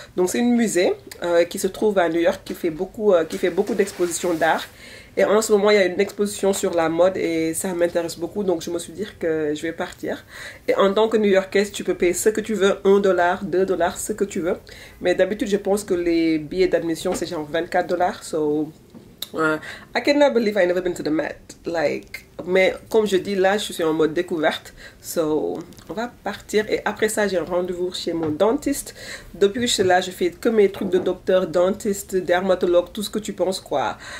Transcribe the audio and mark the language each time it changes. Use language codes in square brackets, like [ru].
[fr] Donc c'est une musée qui se trouve à New York, qui fait beaucoup d'expositions d'art. Et en ce moment, il y a une exposition sur la mode et ça m'intéresse beaucoup. Donc, je me suis dit que je vais partir. Et en tant que New-Yorkaise, tu peux payer ce que tu veux, 1 dollar, 2 dollars, ce que tu veux. Mais d'habitude, je pense que les billets d'admission, c'est genre 24 dollars. [en] So, I cannot believe I never been to the Met. [fr] Mais comme je dis, là, je suis en mode découverte. So, on va partir. Et après ça, j'ai un rendez-vous chez mon dentiste. Depuis que je suis là, je fais que mes trucs de docteur, dentiste, dermatologue, tout ce que tu penses, quoi.